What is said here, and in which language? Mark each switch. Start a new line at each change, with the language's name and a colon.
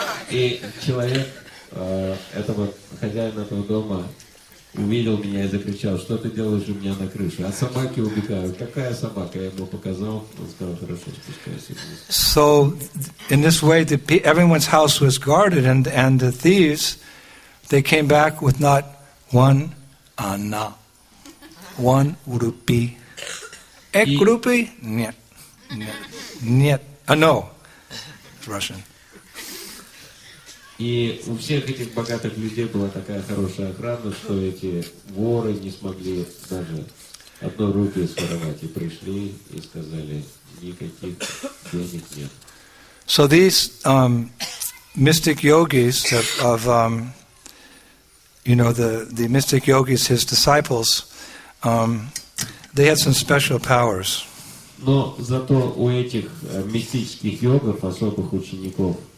Russian: И человек, этого хозяина этого дома, увидел меня и закричал, что ты делаешь у меня на крыше? А собаки убегают. Какая собака? Я ему показал. Он сказал, хорошо, спускайся.
English: So, in this way, everyone's house was guarded, and the thieves, they came back with not one anna, one rupee.
Hindi: Ek rupee?
Russian: Нет. Нет. А,
English: no. It's Russian.
Russian: И у всех этих богатых людей была такая хорошая охрана, что эти воры не смогли даже одной руки своровать. И пришли и сказали, никаких денег нет.
English: So these mystic yogis of you know, the mystic yogis, his disciples, they had some special powers.
Russian: Но зато у этих мистических йогов, особых учеников,